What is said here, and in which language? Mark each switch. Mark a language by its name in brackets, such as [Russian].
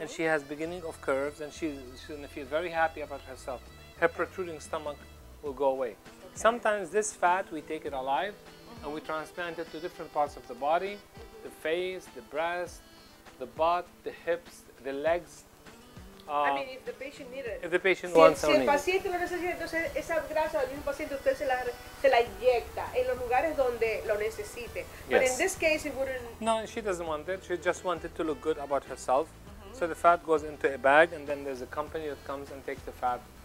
[English] and she has beginning of curves, and she's gonna feel very happy about herself. Her protruding stomach will go away. Okay. Sometimes this fat, we take it alive, mm-hmm. and we transplant it to different parts of the body, mm-hmm. the face, the breast, the butt, the hips, the legs. If the patient needs it. If the patient wants [Spanish] it. Si el paciente lo necesita, entonces esa grasa del mismo paciente usted se la inyecta en los lugares donde lo necesite. [English] Yes. But in this case, it wouldn't. No, she doesn't want it. She just wanted to look good about herself. Mm-hmm. So the fat goes into a bag, and then there's a company that comes and takes the fat.